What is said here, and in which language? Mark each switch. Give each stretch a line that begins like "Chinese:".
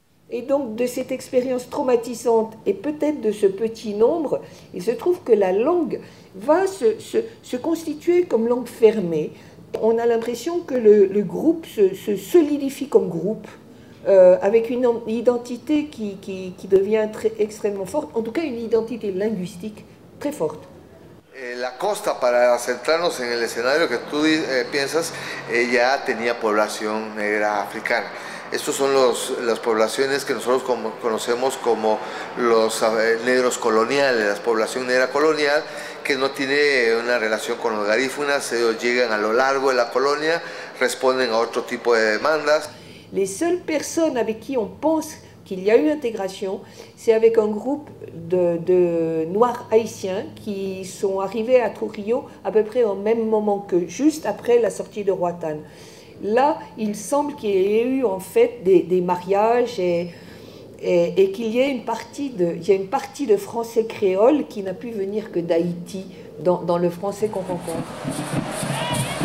French: Et donc de cette expérience traumatisante et peut-être de ce petit nombre, il se trouve que la langue va se constituer comme langue fermée. On a l'impression que le groupe se solidifie comme groupe, avec une identité qui devient extrêmement forte, en tout cas une identité linguistique très forte.
Spanish: La costa, para centrarnos en el escenario que tú piensas, ya tenía población negra africana. Estos son las poblaciones que nosotros conocemos como los negros coloniales, la población negra colonial, que no tiene una relación con los garífunas, ellos llegan a lo largo de la colonia, responden a otro tipo de demandas.
French: Les seules personnes avec qui on pense qu'il y a eu intégration, c'est avec un groupe de noirs haïtiens qui sont arrivés à Trujillo à peu près au même moment que juste après la sortie de Roatán. Là, il semble qu'il y ait eu en fait des mariages et qu'il y ait une partie de français créole qui n'a pu venir que d'Haïti dans le français qu'on rencontre.